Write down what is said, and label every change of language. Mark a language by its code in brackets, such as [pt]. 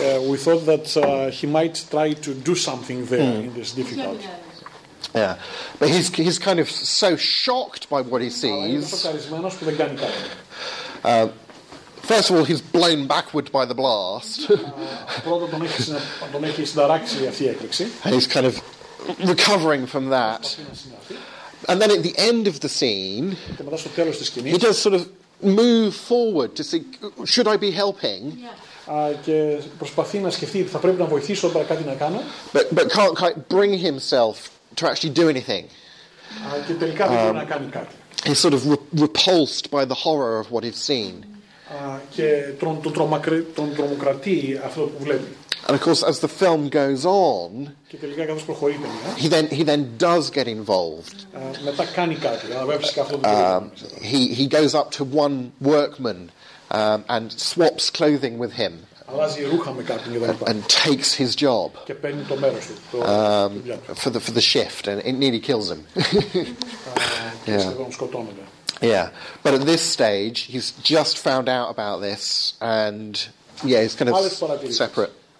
[en] We thought that he might try to do something there in this difficult. Yeah, but he's kind of so shocked by what he sees. [el] Είναι σοκαρισμένος που δεν κάνει κάτι. [en] First of all, he's blown backward by the blast. And he's kind of recovering from that. And then at the end of the scene, he does sort of move forward to see, should I be helping? [el] Και προσπαθεί να σκεφτεί, θα πρέπει να βοηθήσω, τώρα κάτι να κάνω. [en] But can't quite bring himself to actually do anything. [el] Και τελικά δεν μπορεί να κάνει κάτι. [en] He's sort of repulsed by the horror of what he's seen. [el] Και τον τρομοκρατεί αυτό που βλέπει. [en] And of course, as the film goes on, [el] και τελικά, καθώς προχωρεί, [en] he then does get involved. [el] Μετά κάνει κάτι, αλλά βέβαια φυσικά αυτό που βλέπει. [en] He goes up to one workman and swaps clothing with him. [el] Αλλάζει ρούχα με κάποιον και δεν [en] and takes his job. [el] Και παίρνει το μέρος του. [en] For the shift, and it nearly kills him. Yeah, but at this stage, he's just found out about this, and yeah, he's kind of separate.